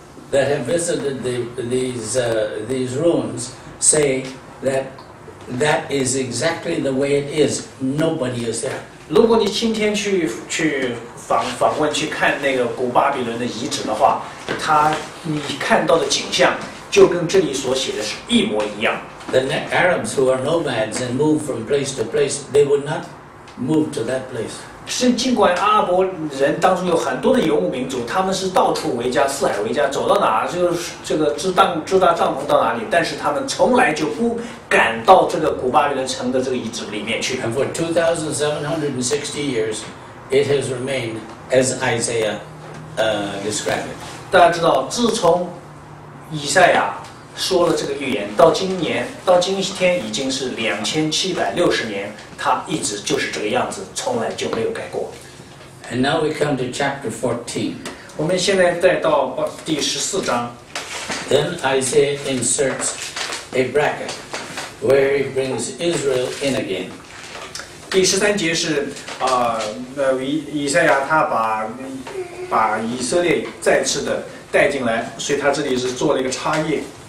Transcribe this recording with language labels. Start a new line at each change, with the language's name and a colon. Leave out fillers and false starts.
English: That have visited these ruins say that is exactly the way it is. Nobody is there.
Chinese: 如果你今天去访问去看那个古巴比伦的遗址的话，你看到的景象就跟这里所写的是一模一样。
English: The Arabs who are nomads and move from place to place, they would not move to that place.
Chinese: 是尽管阿拉伯人当中有很多的游牧民族，他们是到处为家，四海为家，走到哪儿就这个支搭帐篷到哪里，但是他们从来就不敢到这个古巴比伦城的这个遗址里面去。
English: And for 2,760 years, it has remained as Isaiah described it.
Chinese: 大家知道，自从以赛亚说了这个预言，到今天已经是2760年，他一直就是这个样子，从来就没有改过。
English: And now we come to chapter 14.
Chinese: 我们现在再到第十四章。
English: Then Isaiah inserts a bracket where he brings Israel in again.
Chinese: 第十三节是以赛亚他把以色列再次的带进来，所以他这里是做了一个插页。